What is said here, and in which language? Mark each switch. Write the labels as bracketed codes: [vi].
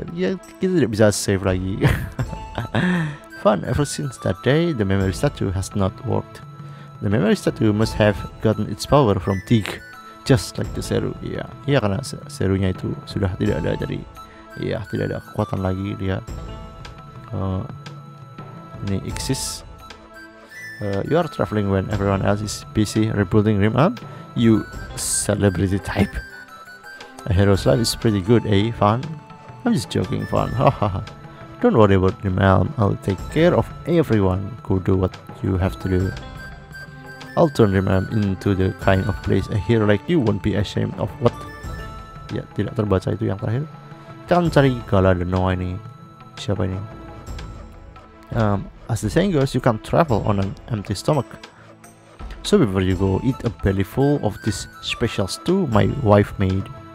[id] Yeah, kita tidak bisa save lagi. [en] Fun. Ever since that day, the memory statue has not worked. The memory statue must have gotten its power from Teak. Just like the Seru, iya. [id] Iya, karena Serunya itu sudah tidak ada dari, iya, tidak ada kekuatan lagi dia. Ini Ixis. [en] You are traveling when everyone else is busy rebuilding Rim Up. You celebrity type. A hero's life is pretty good, eh, Fun? I'm just joking, Fun. Don't worry about Rim Up. I'll take care of everyone who do what you have to do. I'll turn Rim Up into the kind of place a hero like you won't be ashamed of. What? [id] Ya, tidak terbaca itu yang terakhir. Kita akan cari Gala dan Noah ini. Siapa ini? [en] As the saying goes, you can't travel on an empty stomach. So before you go, eat a belly full of this special stew my wife made.